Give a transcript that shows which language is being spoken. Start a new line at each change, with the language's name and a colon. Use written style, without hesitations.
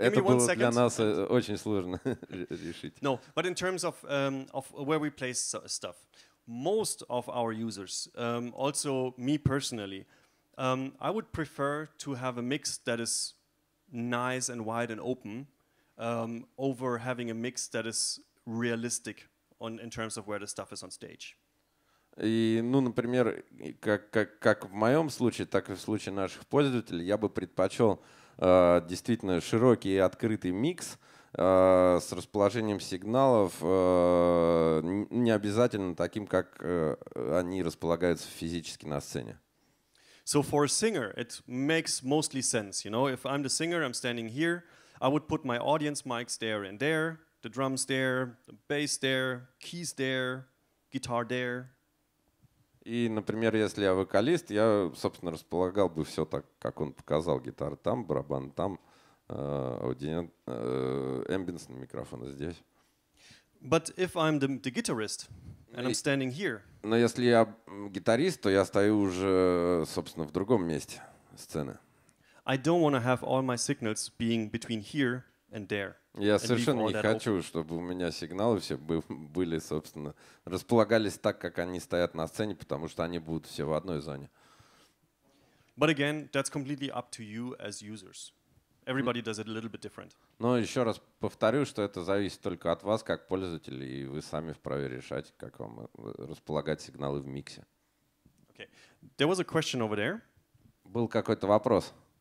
Russian: Это было для нас очень сложно решить.
English: No, but in terms of where we place stuff, most of our users, also me personally, I would prefer to have a mix that is nice and wide and open, over having a mix that is realistic in terms of where the stuff is on stage.
Russian: И, ну, например, как в моем случае, так и в случае наших пользователей, я бы предпочел действительно широкий и открытый микс с расположением сигналов, не обязательно таким, как они располагаются физически на сцене.
English: So for a singer, it makes mostly sense. You know, if I'm the singer, I'm standing here, I would put my audience mics there and there, the drums there, the bass there, keys there, guitar there.
Russian: И, например, если я вокалист, я, собственно, располагал бы все так, как он показал: гитара там, барабан там, эмбиенсный микрофон здесь.
English: But if I'm the guitarist and I'm standing here.
Russian: Но если я гитарист, то я стою уже, собственно, в другом месте сцены.
English: I don't want to have all my signals being between here and there.
Russian: Я совершенно не хочу, чтобы у меня сигналы все были, собственно, располагались так, как они стоят на сцене, потому что они будут все в одной зоне.
English: But again, that's completely up to you as users. Everybody does it a little bit different.
Russian: Но еще раз повторю, что это зависит только от вас, как пользователей, и вы сами вправе решать, как вам располагать сигналы в миксе.
English: Okay. There was a question over there.
Russian: Был какой-то вопрос.